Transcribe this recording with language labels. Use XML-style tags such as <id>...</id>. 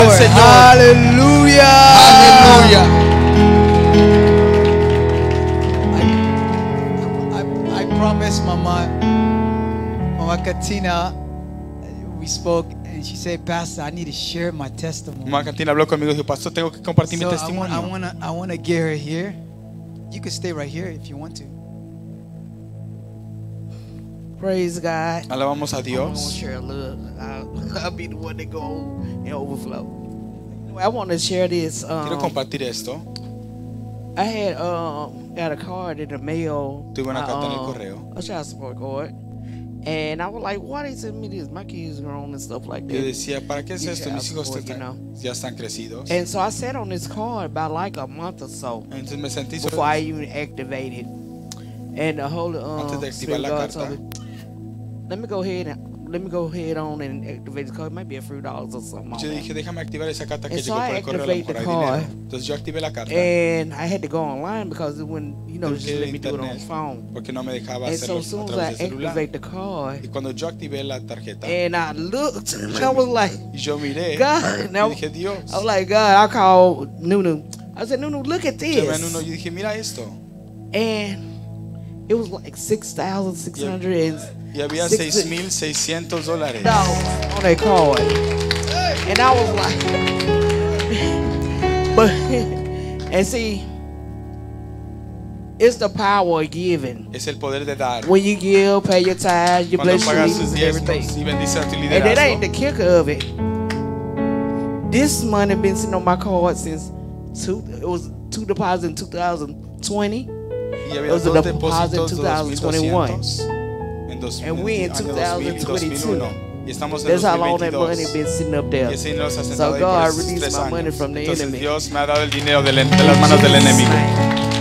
<en>Hallelujah. Hallelujah. I promised Mama Katina, we spoke And she said, Pastor, I need to share my testimony.</en> <es>Martina habló conmigo y dijo, Pastor, tengo que compartir mi testimonio.</es> <en>I wanna get her here. You can stay right here if you want to. Praise God.</en> <es>Alabamos a Dios.</es> <en>I want to share a little. I'll be the one to go and overflow. I want to share this.</en> <es>Quiero compartir esto.</es> <en>I had got a card in the mail.</en> <es>Tuve una carta en el correo.</es> <en>A child support card. And I was like, what is it? Mean? My kids grown and stuff like that.</en> <es>Yo decía, ¿para qué es esto? Mis hijos</es> <en>support, you know?</en> <es>Ya están crecidos.</es> <en>And so I sat on this card about like a month or so.</en> <es>Entonces me sentí</es> <en>before I even activated. And the whole</en> <es>antes de activar la carta.</es> <en>Let me go ahead on and activate the card. It might be a few dollars or something.</en> <es>Yo dije, déjame activar esa carta que llegó por el correo, a lo mejor hay dinero. Entonces yo activé la carta.</es> <en>And I had to go online because it wouldn't, you know, just let me do it on the phone.</en> <es>Porque no me dejaba hacerlo a través del celular.</es> <en>Activate the card.</en> <es>Y cuando yo activé la tarjeta.</es> <en>And I looked. I was like,</en> <es>yo miré.</es> <en>God,</en> <es>now, dije, Dios.</es> <en>I was like, God, I called Nunu. I said, Nunu, look at this.</en> <es>Llamé a Nunu, yo dije, mira esto.</es> <en>And it was like $6,600.</en> <es>Y había $6,600.</es> <en>No, on that card. Hey. And I was like, but, and see, it's the power of giving.</en> <es>Es el poder de dar.</es> <en>When you give, pay your tithes, you bless your leaders and everything. And that ain't the kicker of it. This money been sitting on my card since two deposits in 2020.</en> <es>Y había dos depósitos en 2021.</es> <en>And we in 2022.</en> <es>Y estamos en</es> <en>that's</en> <es>2022.</es> <en>How long that money been sitting up there. So God released my money from the</en> <es>entonces,</es> <en>enemy.</en> <es>Dios me ha dado el dinero de las manos del enemigo.</es>